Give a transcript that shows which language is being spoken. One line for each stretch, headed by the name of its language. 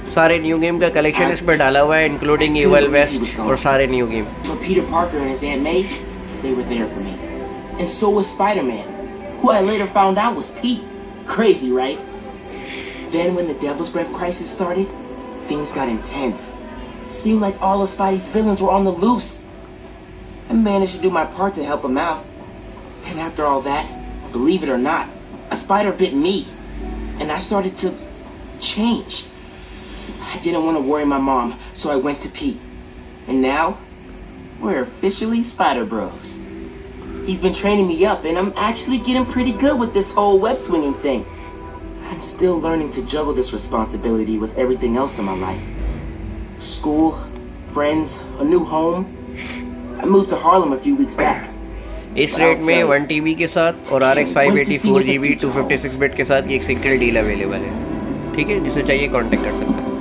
Hindi: सारे new game का collection इसमें डाला हुआ है, इंक्लूडिंग इवल वेस्ट और सारे new game.
English: Peter Parker and his aunt May, they were there for me and so was Spiderman who I later found out was Pete. Crazy, right? Then when the Devil's Breath crisis started, things got intense. Seemed like all of Spidey's villains were on the loose. I managed to do my part to help him out. And after all that, believe it or not, a spider bit me. And I started to change. I didn't want to worry my mom, so I went to Pete. And now, we're officially Spider Bros. He's been training me up, and I'm actually getting pretty good with this whole web-swinging thing. I'm still learning to juggle this responsibility with everything else in my life. School, friends, a new home. I moved to Harlem a few weeks back.
Hindi: इस rate में 1 TB के साथ और RX 580 4 GB 256 bit के साथ ये एक single deal available है, ठीक है, जिसे चाहिए कांटेक्ट कर सकते हैं।